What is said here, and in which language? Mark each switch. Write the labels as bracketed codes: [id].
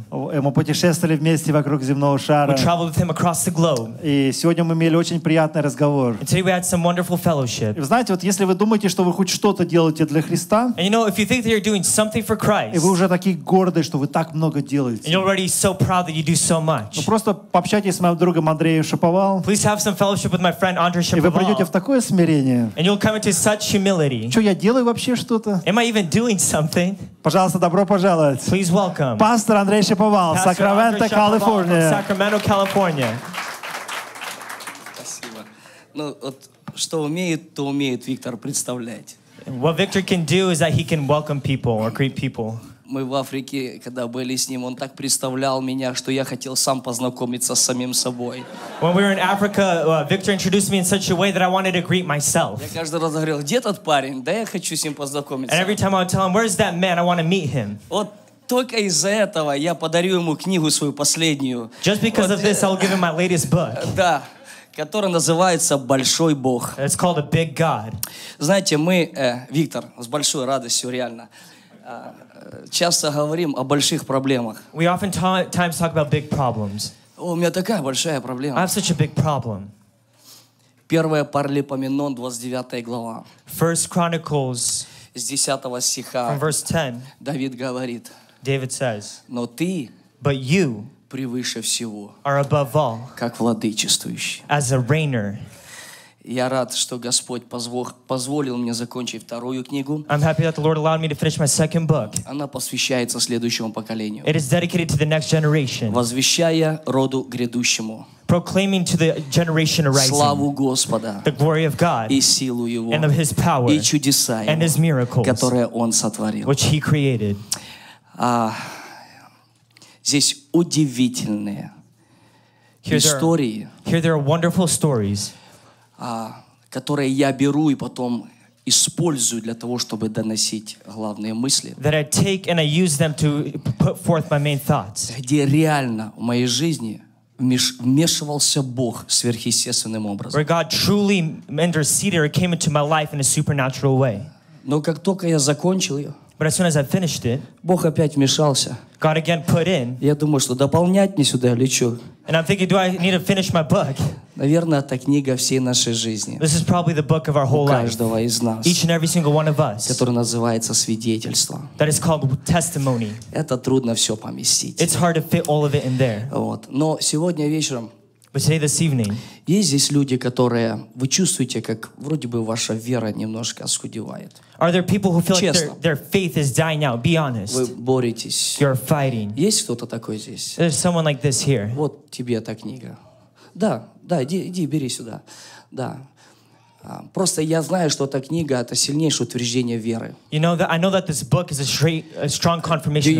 [ru] Мы путешествовали вместе вокруг земного шара. [en] We traveled with him across the globe. [ru] И сегодня мы имели очень приятный разговор. [en] And today we had some wonderful fellowship. [ru] И вы знаете, вот если вы думаете, что вы хоть что-то делаете для Христа, [en] and you know, if you think that you're doing something for Christ, [ru] и вы уже такие гордые, что вы так много делаете, [en] and you're already so proud that you do so much, [ru] ну просто пообщайтесь с моим другом Андреем Шаповал. [en] Please have some fellowship with my friend Andre Shapoval. [ru] в такое смирение. [en] And you'll come into such humility. [ru] Что я делаю вообще что-то? [en] Am I even doing something? [ru] Пожалуйста, добро пожаловать. [en] Please welcome. [ru] Пастор Андрей Шиповал, Сакраменто, Калифорния. [en] Sacramento, California. [ru] Спасибо. Ну вот что умеет, то умеет Виктор представлять. [en] What Victor can do is that he can welcome people or greet people. [ru] Мы в Африке, когда были с ним, он так представлял меня, что я хотел сам познакомиться с самим собой. [en] When we were in Africa, Victor introduced me in such a way that I wanted to greet myself. [ru] Я каждый раз говорил, где тот парень? Да я хочу с ним познакомиться. [en] And every time I would tell him, where is that man? I want to meet him. [ru] Вот только из-за этого я подарю ему книгу свою последнюю. [en] Just because of this, I'll give him my latest book. [ru] Да. Который называется «Большой Бог». [en] It's called a big God. [ru] Знаете, мы, Виктор, с большой радостью реально, часто говорим о больших проблемах. [en] We often times talk about big problems. [ru] О, у меня такая большая проблема. [en] I have such a big problem. [ru] Первая Паралипоменон, 29 глава. [en] First Chronicles. [ru] С 10 стиха. [en] From verse 10. [ru] Давид говорит. [en] David says. [ru] Но ты. [en] But you. [ru] Превыше всего. [en] Are above all. [ru] Как владычествующий. [en] As a reigner. [ru] Я рад, что Господь позволил мне закончить вторую книгу. [en] I'm happy that the Lord allowed me to finish my second book. [ru] Она посвящается следующему поколению. [en] It is dedicated to the next generation. [ru] Возвещая роду грядущему. [en] Proclaiming to the generation arising. [ru] Славу Господа. [en] The glory of God. [ru] И силу Его. [en] And of His power. [ru] И чудеса Его. [en] And His miracles. [ru] Которые Он сотворил. [en] Which He created. [ru] Здесь удивительные истории. [en] Here there are wonderful stories. [ru] Которые я беру и потом использую для того, чтобы доносить главные мысли. [en] That I take and I use them to put forth my main thoughts. [ru] Где реально в моей жизни вмешивался Бог сверхъестественным образом. [en] Where God truly interceded or came into my life in a supernatural way. [ru] Но как только я закончил ее, [en] but as soon as I finished it, [ru] Бог опять вмешался. [en] God again put in. [ru] Я думаю, что дополнять мне сюда или что? [en] And I'm thinking, do I need to finish my book? [ru] Наверное, это книга всей нашей жизни. [en] This is probably the book of our whole life. [ru] У каждого из нас. [en] Each and every single one of us. [ru] Который называется свидетельство. [en] That is called testimony. [ru] Это трудно все поместить. [en] It's hard to fit all of it in there. [ru] Вот. Но сегодня вечером. [en] But today this evening. [ru] Есть здесь люди, которые вы чувствуете, как вроде бы ваша вера немножко оскудевает. [en] Are there people who feel like their faith is dying out? Be honest. [ru] Вы боретесь. [en] You're fighting. [ru] Есть кто-то такой здесь? [en] There's someone like this here. [ru] Вот тебе эта книга. Да, да, иди, бери сюда. Да. Просто я знаю, что эта книга — это сильнейшее утверждение веры. [en] You know that I know that this book is a strong confirmation of faith.